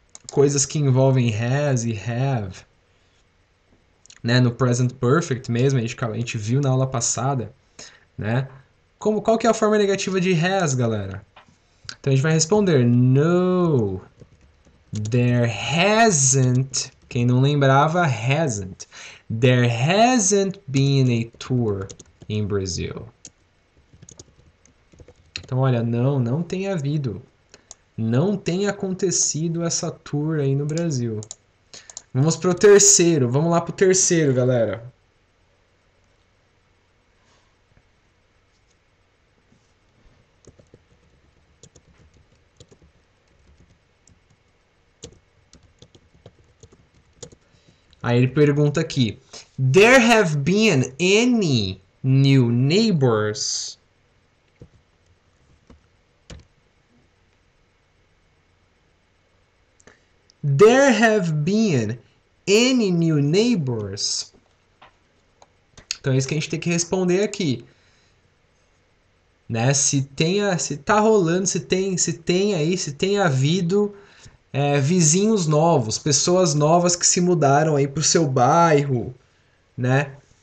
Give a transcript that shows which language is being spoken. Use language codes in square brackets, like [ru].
[pt] Coisas que envolvem has e have. Né, no present perfect mesmo, a gente viu na aula passada, né? Como qual que é a forma negativa de has, galera? Então a gente vai responder [en] no, there hasn't, [pt] quem não lembrava, hasn't. [en] There hasn't been a tour in Brazil. [pt] Então olha, não tem havido. Não tem acontecido essa tour aí no Brasil. Vamos pro terceiro. Vamos lá pro terceiro, galera. Aí ele pergunta aqui: [en] There have been any new neighbors? There have been any new neighbors? [pt] Então é isso que a gente tem que responder aqui, né? Se tá rolando, se tem havido vizinhos novos, pessoas novas que se mudaram aí pro seu bairro, né?